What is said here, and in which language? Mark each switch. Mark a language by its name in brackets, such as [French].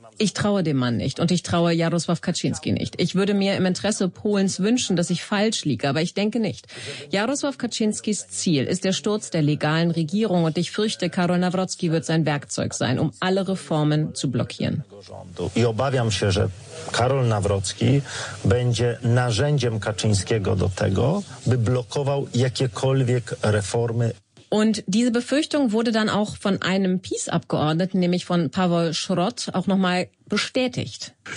[German] Ich traue dem Mann nicht und ich traue Jarosław Kaczynski nicht. Ich würde mir im Interesse Polens wünschen, dass ich falsch liege, aber ich denke nicht. Jarosław Kaczynskis Ziel ist der Sturz der legalen Regierung und ich fürchte, Karol Nawrocki wird sein Werkzeug sein, um alle Reformen zu blockieren. [Polish] Ich obawiam się, że Karol Nawrocki będzie narzędziem Kaczyńskiego do tego, by blokował jakiekolwiek reformy. [German] Und diese Befürchtung wurde dann auch von einem PiS-Abgeordneten, nämlich von Pavel Schrott, auch nochmal bestätigt.